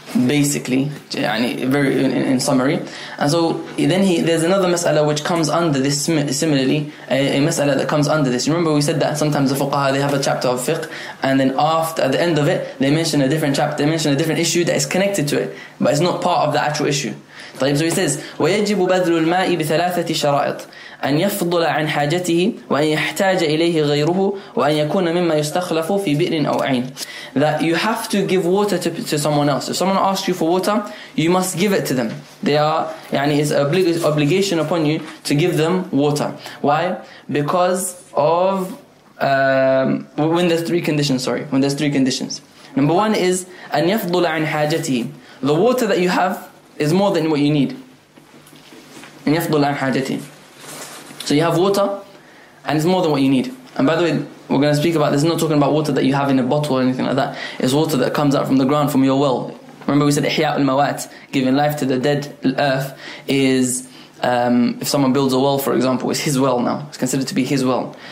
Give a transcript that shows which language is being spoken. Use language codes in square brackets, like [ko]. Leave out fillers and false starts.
[en] Basically, يعني very in summary, and so then there's another mas'ala which comes under this similarly a mas'ala that comes under this. Remember we said that sometimes the fuqaha they have a chapter of fiqh and then after at the end of it they mention a different chapter, they mention a different issue that is connected to it, but it's not part of the actual issue. [ar] طيب, [en] so he says [ar] ويجب بذل الماء بثلاثة شرائط أن يفضل عن حاجته وأن يحتاج إليه غيره وأن يكون مما يستخلف في بئر أو عين. [en] That you have to give water to someone else. If someone asks you for water, you must give it to them. They are, يعني it's obligation upon you to give them water. Why? Because of when there's three conditions. Sorry, when there's three conditions. Number one is [ar] أن يفضل عن حاجته. [en] The water that you have is more than what you need. [ar] أن يفضل عن حاجته. [en] So you have water, and it's more than what you need. And by the way, we're going to speak about this. Not talking about water that you have in a bottle or anything like that. It's water that comes out from the ground, from your well. Remember we said, إحياء المواد, giving life to the dead earth, is if someone builds a well, for example, it's his well now. It's considered to be his well.